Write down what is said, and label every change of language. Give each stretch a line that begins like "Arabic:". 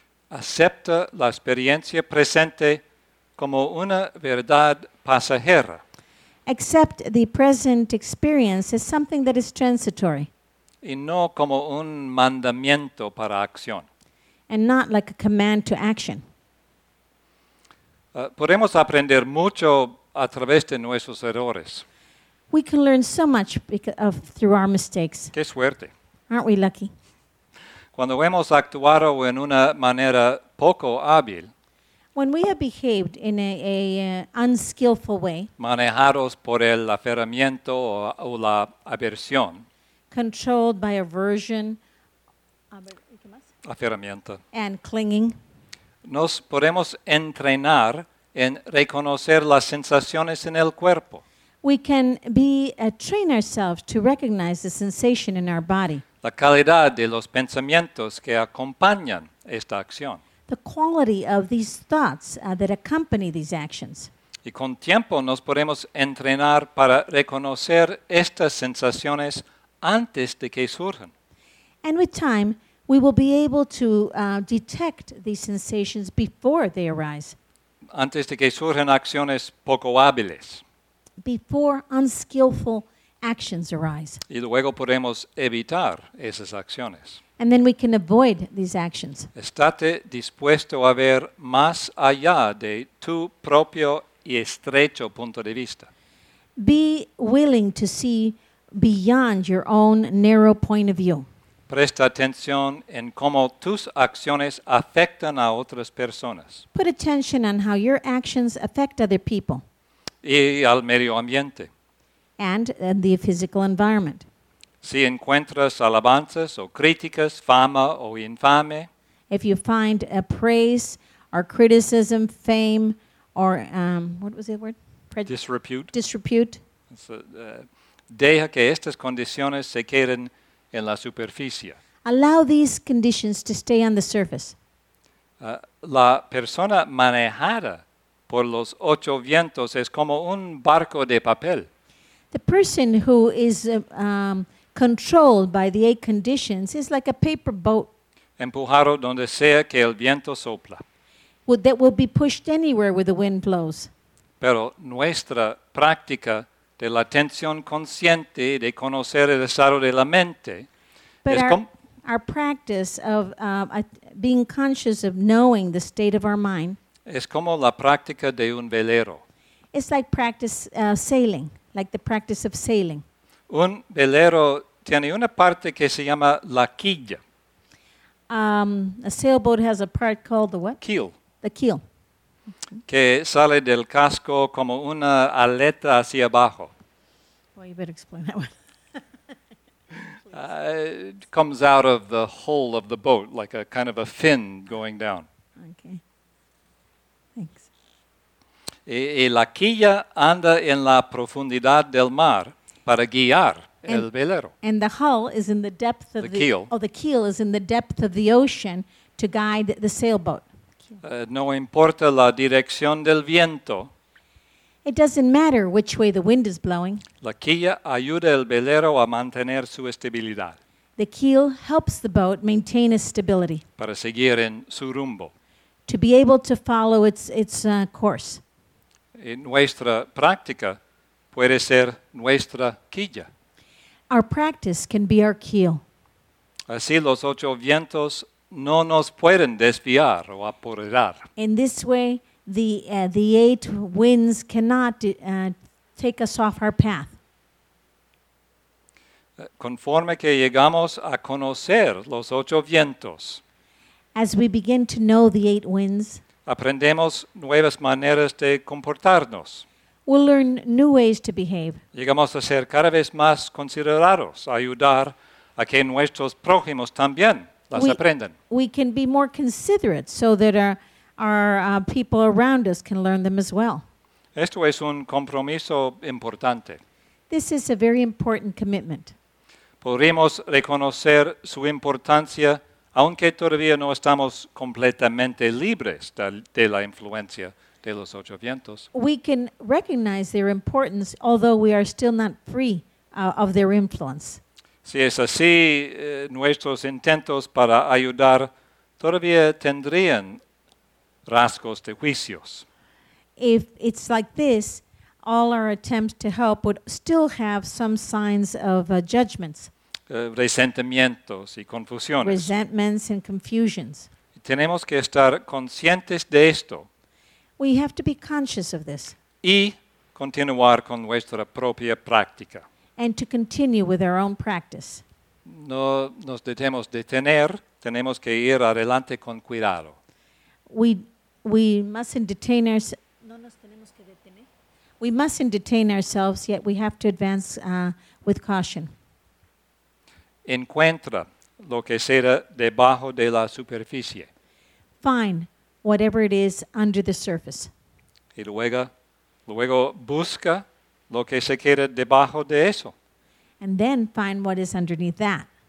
Spanish: Acepta la experiencia presente como una verdad pasajera.
English: Accept the present experience as something that is transitory.
Spanish: Y no como un mandamiento para acción.
English: And not like a command to action.
Spanish: Podemos aprender mucho a través de nuestros errores.
English: We can learn so much through our mistakes.
Spanish: Qué suerte.
English: Aren't we lucky?
Spanish: Cuando hemos actuado en una manera poco hábil.
English: When we have behaved in a unskillful way.
Spanish: Manejados por el aferramiento o la aversión.
English: Controlled by aversion.
Spanish: Aferramiento.
English: And clinging.
Spanish: Nos podemos entrenar en reconocer las sensaciones en el cuerpo.
English: We can train ourselves to recognize the sensation in our body.
Spanish: La calidad de los pensamientos que acompañan esta acción.
English: The quality of these thoughts that accompany these actions.
Spanish: Y con tiempo nos podemos entrenar para reconocer estas sensaciones antes de que surjan.
English: And with time, we will be able to detect these sensations before they arise.
Spanish: Antes de que surjan acciones poco hábiles.
English: Before unskillful actions arise.
Spanish: Y luego podemos evitar esas acciones.
English: And then we can avoid these actions.
Spanish: Estate dispuesto a ver más allá de tu propio y estrecho punto de vista.
English: Be willing to see beyond your own narrow point of view.
Spanish: Presta atención en cómo tus acciones afectan a otras personas.
English: Put attention on how your actions affect other people.
Spanish: Y al medio ambiente.
English: And the physical environment.
Spanish: Si encuentras alabanzas o críticas, fama o infame.
English: If you find a praise or criticism, fame or what was the word? Disrepute. Disrepute.
Spanish: Deja que estas condiciones se queden en la superficie.
English: Allow these conditions to stay on the surface.
Spanish: La persona manejada por los ocho vientos es como un barco de papel.
English: The person who is controlled by the eight conditions is like a paper boat.
Spanish: Empujado donde sea que el viento sopla.
English: That will be pushed anywhere where the wind blows.
Spanish: Pero nuestra práctica de la atención consciente y de conocer el estado de la mente.
English: But
Spanish: es
English: our practice of being conscious of knowing the state of our mind.
Spanish: Es como la práctica de un velero.
English: It's like practice sailing, like the practice of sailing.
Spanish: Un velero tiene una parte que se llama la quilla.
English: A sailboat has a part called the what? Keel. The keel.
Spanish: Que sale del casco como una aleta hacia abajo.
English: Well, you better explain that one. It comes out of the hull of the boat, like a kind of a fin going down. Okay. Thanks.
Spanish: Y la quilla anda en la profundidad del mar para guiar el velero.
English: And the hull is in the depth of the keel. Oh, the keel is in the depth of the ocean to guide the sailboat.
Spanish: No importa la dirección del viento.
English: It doesn't matter which way the wind is blowing.
Spanish: La quilla ayuda el velero a mantener su estabilidad.
English: The keel helps the boat maintain its stability.
Spanish: Para seguir en su rumbo.
English: to be able to follow its course.
Spanish: En nuestra práctica puede ser nuestra quilla.
English: Our practice can be our keel.
Spanish: Así los ocho vientos no nos pueden desviar o apurar.
English: In this way, the eight winds cannot take us off our path.
Spanish: Conforme que llegamos a conocer los ocho vientos,
English: as we begin to know the eight winds,
Spanish: aprendemos nuevas maneras de comportarnos.
English: We'll learn new ways to behave.
Spanish: Llegamos a ser cada vez más considerados, ayudar a que nuestros prójimos también las aprendan.
English: We can be more considerate so that our people around us can learn them as well.
Spanish: Esto es un compromiso importante.
English: This is a very important commitment.
Spanish: Podremos reconocer su importancia aunque todavía no estamos completamente libres de la influencia de los ocho vientos.
English: We can recognize their importance although we are still not free of their influence.
Spanish: Si es así, nuestros intentos para ayudar todavía tendrían rasgos de juicios.
English: If it's like this, all our attempts to help would still have some signs of judgments.
Spanish: Resentimientos y confusiones.
English: Resentments and confusions.
Spanish: Tenemos que estar conscientes de esto.
English: We have to be conscious of this.
Spanish: Y continuar con nuestra propia práctica.
English: And to continue with our own practice.
Spanish: No nos debemos detener, tenemos que ir adelante con cuidado.
English: We mustn't detain ourselves.
Spanish: No nos tenemos que detener.
English: We mustn't detain ourselves, yet we have to advance with caution.
Spanish: Encuentra lo que sea debajo de la superficie.
English: Find whatever it is under the surface.
Spanish: Y luego busca lo que se queda debajo de eso.
English: And then find what is underneath that.